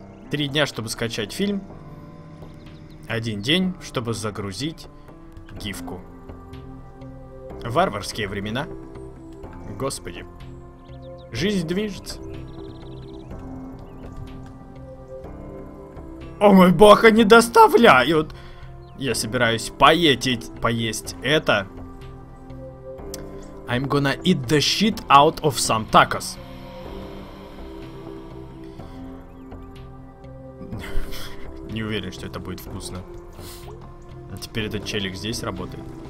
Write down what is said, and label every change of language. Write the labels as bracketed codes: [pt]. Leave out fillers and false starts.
[ru] Три дня, чтобы скачать фильм. Один день, чтобы загрузить гифку. Варварские времена. Господи. Жизнь движется. О мой бог, они доставляют. Я собираюсь поесть это. [en] I'm gonna eat the shit out of some tacos. [ru] Не уверен, что это будет вкусно. А теперь этот челик здесь работает.